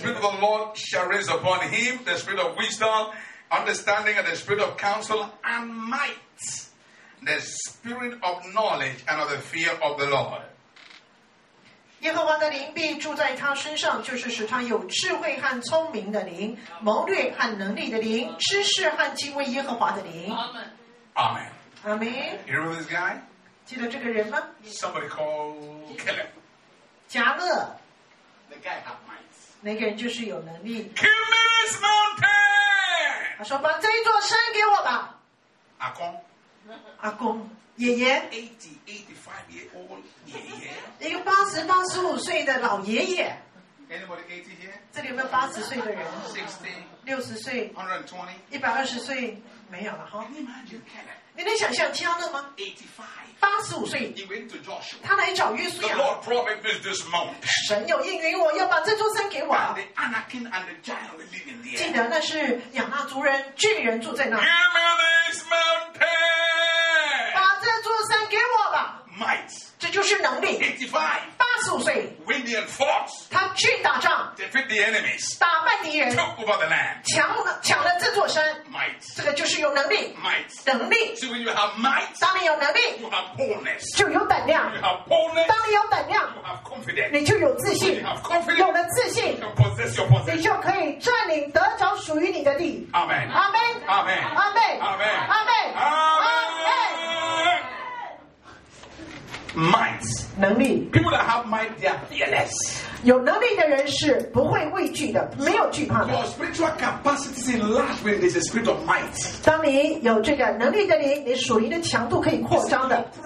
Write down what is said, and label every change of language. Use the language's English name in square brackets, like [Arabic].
[English] The spirit of the Lord shall rest upon him, the spirit of wisdom, understanding, and the spirit of counsel and might, the spirit of knowledge and of the fear of the Lord. [Chinese] 耶和华的灵必住在他身上，就是使他有智慧和聪明的灵，谋略和能力的灵，知识和敬畏耶和华的灵。 [English] Amen. Amen. You remember this guy? [Chinese] 记得这个人吗？ [English] Somebody called Caleb. [Chinese] 加勒 [English] the guy have might. [Chinese] 那个人就是有能力。 [English] Give me this mountain. [Chinese] 他说：“把这一座山给我吧。” 阿公，阿公，爷爷。 [English] 85 years old 爷爷。 [Chinese] 一个85岁的老爷爷。 [English] Anybody 80 here? [Chinese] 这里有没有80岁的人？ [English] 60. [Chinese] 60岁。 [English] 120. [Chinese] 120岁没有了哈。 [English] Can you imagine Caleb? [Chinese] 你能想象加勒吗？85岁，他来找约书亚。 [English] The Lord promised this mountain. [Chinese] 神有应允我，要把这座山给我。 [English] And the Anakin and the giant living there. [Chinese] 记得那是亚纳族人、巨人住在那。 [English] Give me this mountain. [Chinese] 把这座山给我吧。 [English] Might. [Chinese] 这就是能力。 [English] 85. [Chinese] 85岁。 [English] Win the fought. [Chinese] 他去打仗。 [English] Defeat the enemies. [Chinese] 打败敌人。 [English] Took over the land. [Chinese] 抢了这座山。这个就是有能力 [English] might. [Chinese] 能力 [English] so when you have might, [Chinese] 当你有能力 [English] you have boldness. [Chinese] 就有胆量 [English] you have boldness, [Chinese] 当你有胆量 [English] you have confidence. [Chinese] 你就有自信 [English] you have confidence, [Chinese] 有了自信 [English] you can possess your possession. [Chinese] 你就可以占领得着属于你的地 [English] Amen. Amen. Amen. Amen. Amen. Amen. Amen. Might. [Chinese] 能力 [English] People that have might, they are fearless. [Chinese] 有能力的人是不会畏惧的，没有惧怕的。 [English] Your spiritual capacity is enlarged when there's a spirit of might. [Chinese] 当你有这个能力的灵，你属灵的强度可以扩张的。